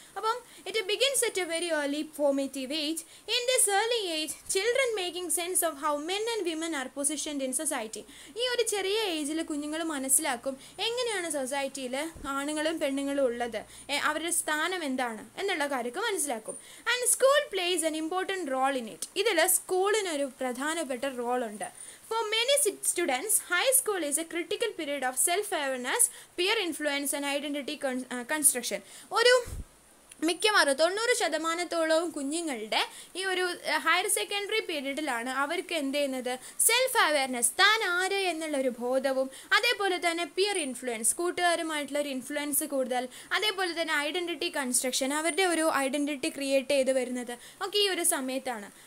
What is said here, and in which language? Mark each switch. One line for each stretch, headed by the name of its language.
English: അപ്പം it begins at a very early formative age. In this early age children making sense of how men and women are positioned in society.
Malayalam: ഈ ഒരു ചെറിയ ഏജിൽ കുഞ്ഞുങ്ങൾ മനസ്സിലാക്കും എങ്ങനെയാണ് സൊസൈറ്റിയിൽ ആണുങ്ങളും പെണ്ണുങ്ങളും ഉള്ളത്, അവരുടെ സ്ഥാനം എന്താണ് എന്നുള്ള കാര്യമൊക്കെ മനസ്സിലാക്കും.
English: And school plays an important role in it.
Malayalam: ഇതിൽ സ്കൂളിനൊരു പ്രധാനപ്പെട്ട റോളുണ്ട്.
English: For many students, high school is a critical period of self-awareness, peer influence and identity construction.
Malayalam: ഒരു മിക്കവാറും 90% കുഞ്ഞുങ്ങളുടെ ഈ ഒരു ഹയർ സെക്കൻഡറി പീരീഡിലാണ് അവർക്ക് എന്ത് ചെയ്യുന്നത്, സെൽഫ് അവയർനെസ്, താൻ ആര് എന്നുള്ളൊരു ബോധവും അതേപോലെ തന്നെ പിയർ ഇൻഫ്ലുവൻസ്, കൂട്ടുകാരുമായിട്ടുള്ള ഒരു ഇൻഫ്ലുവൻസ് കൂടുതൽ, അതേപോലെ തന്നെ ഐഡന്റിറ്റി കൺസ്ട്രക്ഷൻ, അവരുടെ ഒരു ഐഡന്റിറ്റി ക്രിയേറ്റ് ചെയ്ത് വരുന്നത് ഒക്കെ ഈ ഒരു സമയത്താണ്.